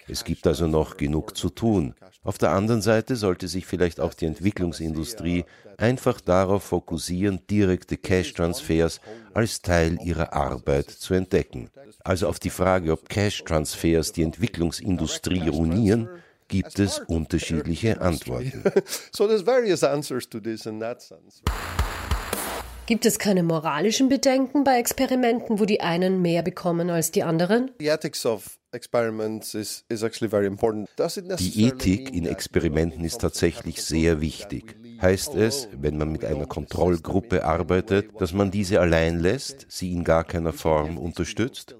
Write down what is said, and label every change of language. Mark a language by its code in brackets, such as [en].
[de] Es gibt also noch genug zu tun. Auf der anderen Seite sollte sich vielleicht auch die Entwicklungsindustrie einfach darauf fokussieren, direkte Cash-Transfers als Teil ihrer Arbeit zu entdecken. Also auf die Frage, ob Cash-Transfers die Entwicklungsindustrie ruinieren, gibt es unterschiedliche Antworten. [en] So there's various answers to this in that sense. [de] Gibt es keine moralischen Bedenken bei Experimenten, wo die einen mehr bekommen als die anderen? Die Ethik in Experimenten ist tatsächlich sehr wichtig. Heißt es, wenn man mit einer Kontrollgruppe arbeitet, dass man diese allein lässt, sie in gar keiner Form unterstützt?